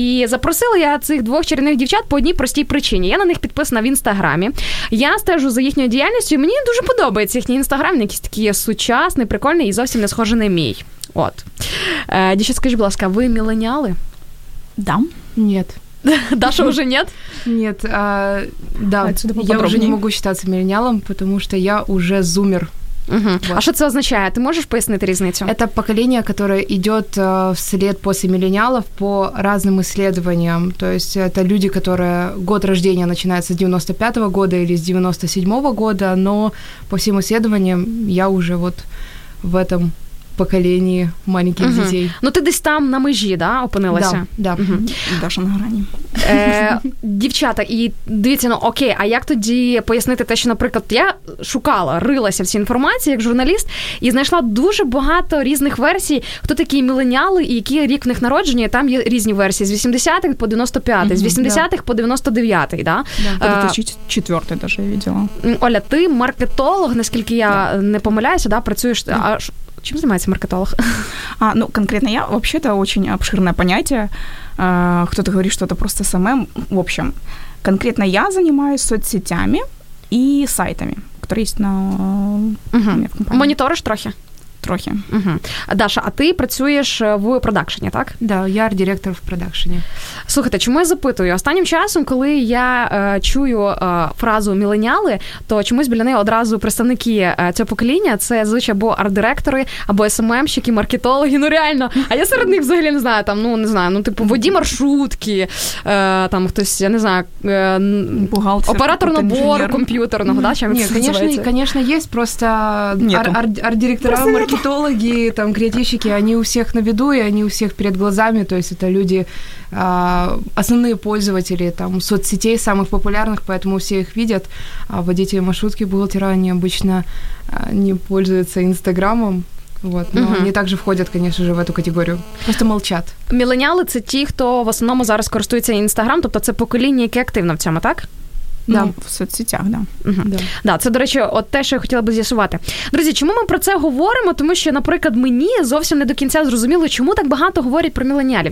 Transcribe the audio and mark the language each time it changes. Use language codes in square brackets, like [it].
[uk] І запросила я цих двох чарівних дівчат по одній простій причині. Я на них підписана в Інстаграмі. Я стежу за їхньою діяльністю, і мені дуже подобається їхній Інстаграм. Він якийсь такий сучасний, прикольний і зовсім не схожий на мій. От. Дівчат, скажіть, будь ласка, ви міленіали? [ru] Да. Нет. Даша уже нет? Нет, да, я уже не могу считаться миллениалом, потому что я уже зумер. Угу. Вот. А что это означает? Ты можешь пояснить разницу? Это поколение, которое идет вслед после миллениалов по разным исследованиям. То есть это люди, которые год рождения начинается с 95-го года или с 97-го года, но по всем исследованиям я уже вот в этом поколении маленьких угу. детей. [uk] Ну, ти десь там на межі, да, опинилася? [ru] Да, да. [uk] Угу. Даша на грані. Дівчата, і дивіться, ну, окей, а як тоді пояснити те, що, наприклад, я шукала, рилася в цій інформації як журналіст і знайшла дуже багато різних версій, хто такі міленіали і який рік в них народження, і там є різні версії, з 80-х по 95-й, угу, з 80-х да. по 99-й, да? [ru] Да, по 2004-й даже я видела. [uk] Оля, ти маркетолог, наскільки я да. не помиляюся, да, працюєш, да. [ru] а чем занимается маркетолог? А, ну, конкретно я, вообще, это очень обширное понятие. Кто-то говорит, что это просто СММ. В общем, конкретно я занимаюсь соцсетями и сайтами, которые есть на угу. у меня в компании. Мониторишь трохи? [uk] Трохи. Угу. Даша, а ти працюєш в продакшені, так? Да, я арт-директор в продакшені. Слухайте, чому я запитую? Останнім часом, коли я чую фразу «міленіали», то чомусь біля неї одразу представники цього покоління. Це звичайно або арт-директори, або СММщики, маркетологи. Ну, реально. А я серед них взагалі не знаю, там, ну, не знаю, ну, типу, воді маршрутки, там, хтось, я не знаю, бухгалтер, оператор набору комп'ютерного, да? Чим ні, звісно, є, просто арт-директора маркетологи. [ru] Маркетологи, там, креативщики, они у всех на виду, и они у всех перед глазами, то есть это люди, основные пользователи, там, соцсетей самых популярных, поэтому все их видят, а водители маршрутки, бухгалтера, они обычно не пользуются Инстаграмом. Вот, но угу. они также входят, конечно же, в эту категорию. Просто молчат. [uk] Міленіали – це ті, хто в основному зараз користується Instagram, тобто це покоління, яке активно в цьому, так? [ru] Да. Ну, в соцсетях, да. Угу. [uk] Да. Да, це, до речі, от те, що я хотіла би з'ясувати. Друзі, чому ми про це говоримо? Тому що, наприклад, мені зовсім не до кінця зрозуміло, чому так багато говорять про міленіалів.